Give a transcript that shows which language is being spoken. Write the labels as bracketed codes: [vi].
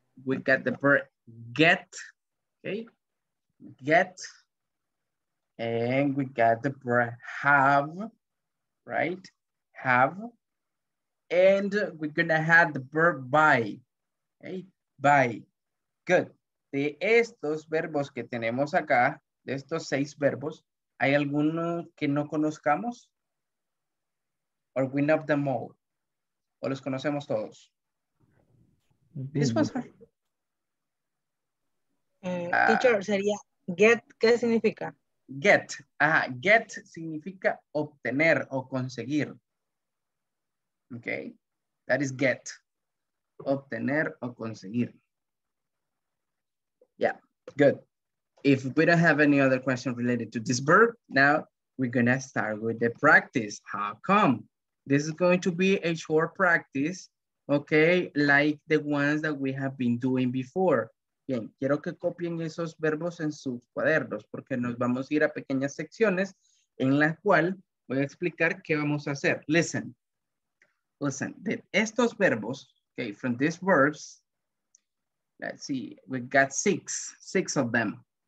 [en] We got the verb get. Okay. Get. And we got the verb have. Right. Have. And we're going to have the verb buy. Okay. Buy. Good. [es] De estos verbos que tenemos acá, de estos seis verbos, ¿hay alguno que no conozcamos? [en] Or we know them all? [es] ¿O los conocemos todos? [en] This was hard. [es] Teacher, sería get, ¿qué significa? get. Ajá, get significa obtener o conseguir. [en] Ok, that is get. [es] Obtener o conseguir. [en] Yeah, good. If we don't have any other question related to this verb, now we're gonna start with the practice. How come? This is going to be a short practice, okay? Like the ones that we have been doing before. [es] Bien, quiero que copien esos verbos en sus cuadernos porque nos vamos a ir a pequeñas secciones en la cual voy a explicar qué vamos a hacer. [en] Listen, listen, [es] de estos verbos, [en] okay, from these verbs, let's see, we got six of them.